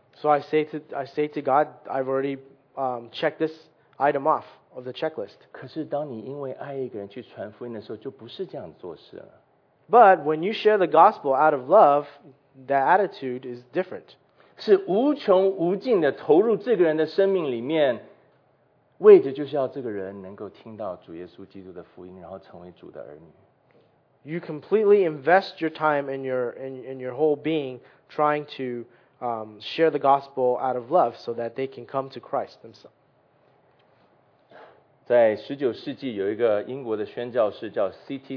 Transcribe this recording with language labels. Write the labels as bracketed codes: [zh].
[en] So I say to God, I've already checked this item off of the checklist. [zh] 可是当你因为爱一个人去传福音的时候，就不是这样做事了。 [en] But when you share the gospel out of love, that attitude is different. [zh] 是无穷无尽的投入这个人的生命里面，为的就是要这个人能够听到主耶稣基督的福音，然后成为主的儿女。 [en] You completely invest your time and your whole being trying to share the gospel out of love so that they can come to Christ themselves. [zh] 在19世纪有一个英国的宣教士叫 C.T.